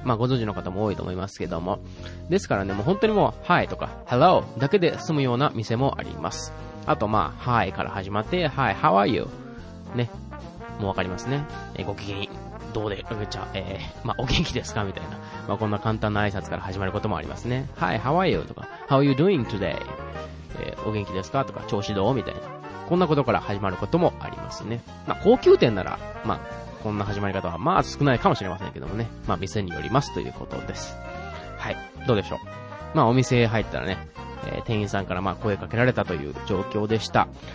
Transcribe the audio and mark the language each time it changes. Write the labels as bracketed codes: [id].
[ja] まあ、ご存知の方も多いと思いますけども。ですからね、もう本当にもう、はいとか、hello だけで済むような店もあります。あと、まあ、はいから始まって、はい、 [en] how are you? [ja] ね。もうわかりますね。ご機嫌に。どうで、めっちゃ、まあ、お元気ですかみたいな。まあ、こんな簡単な挨拶から始まることもありますね。 [en] Hi, how are you? [ja] とか、 [en] How are you doing today? [ja] お元気ですかとか、調子どうみたいな。こんなことから始まることもありますね。まあ、高級店なら、まあ、こんな始まり方は、まあ、少ないかもしれませんけどもね。まあ、店によりますということです。はい。どうでしょう。まあ、お店入ったらね、店員さんから、まあ、声かけられたという状況でした。